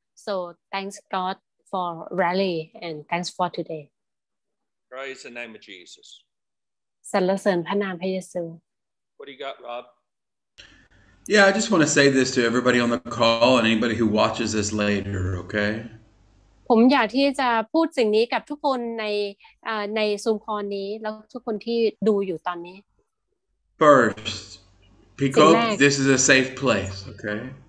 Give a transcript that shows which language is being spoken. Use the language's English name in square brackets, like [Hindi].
[English] So, thanks God for Larry and thanks for today. Praise the name of Jesus. [Thai] สรรเสริญพระนามพระเยซู [English] What do you got, Rob? Yeah, I just want to say this to everybody on the call and anybody who watches this later, okay? [Thai] ผมอยากที่จะพูดสิ่งนี้กับทุกคนในซูมคอลนี้แล้วทุกคนที่ดูอยู่ตอนนี้ [English] First, Picope, this is a safe place, okay?